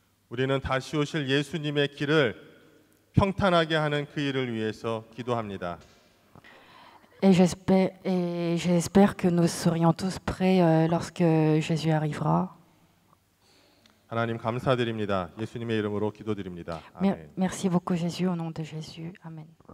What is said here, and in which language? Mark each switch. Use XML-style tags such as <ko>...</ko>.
<ko>우리는 다시 오실 예수님의 길을 평탄하게 하는 그 일을 위해서 기도합니다.</ko> <fr>Et j'espère que nous serions tous prêts lorsque Jésus arrivera.</fr> <ko>하나님 감사드립니다. 예수님의 이름으로 기도드립니다. 아멘.</ko> <fr>Merci beaucoup Jésus au nom de Jésus. Amen.</fr>